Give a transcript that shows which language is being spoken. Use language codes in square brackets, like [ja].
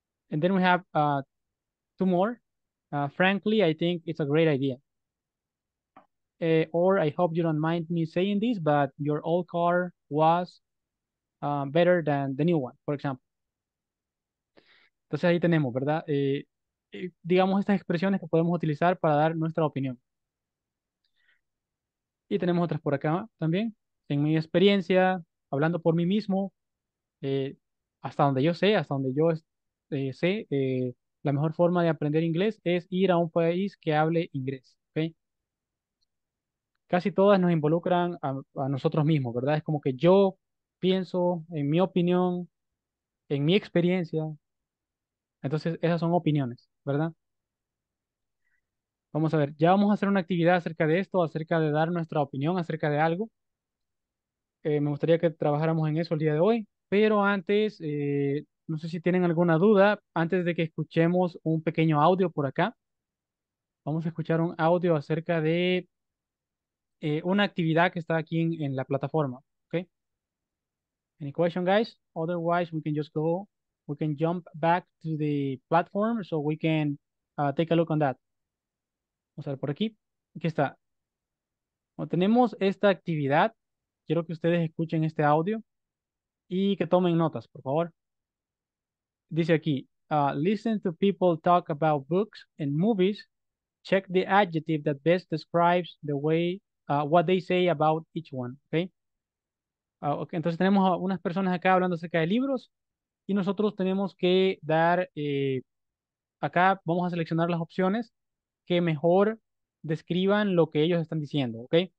[en] And then we have two more. Frankly, I think it's a great idea. Or I hope you don't mind me saying this, but your old car was better than the new one, for example. [es] Entonces ahí tenemos, ¿verdad? Digamos estas expresiones que podemos utilizar para dar nuestra opinión. Y tenemos otras por acá también. En mi experiencia, hablando por mí mismo, hasta donde yo sé, hasta donde yo sé, la mejor forma de aprender inglés es ir a un país que hable inglés. Casi todas nos involucran a nosotros mismos, ¿verdad? Es como que yo pienso en mi opinión, en mi experiencia. Entonces, esas son opiniones, ¿verdad? Vamos a ver, ya vamos a hacer una actividad acerca de esto, acerca de dar nuestra opinión acerca de algo. Me gustaría que trabajáramos en eso el día de hoy. Pero antes, no sé si tienen alguna duda, antes de que escuchemos un pequeño audio por acá. Vamos a escuchar un audio acerca de una actividad que está aquí en la plataforma, okay? [en] Any question, guys? Otherwise, we can just go, we can jump back to the platform so we can take a look on that. [es] Vamos a ver por aquí. Aquí está. Bueno, tenemos esta actividad. Quiero que ustedes escuchen este audio y que tomen notas, por favor. Dice aquí, [en] listen to people talk about books and movies. Check the adjective that best describes the way what they say about each one, okay? [es] Okay, entonces tenemos a unas personas acá hablando acerca de libros y nosotros tenemos que dar, acá vamos a seleccionar las opciones que mejor describan lo que ellos están diciendo, ¿ok?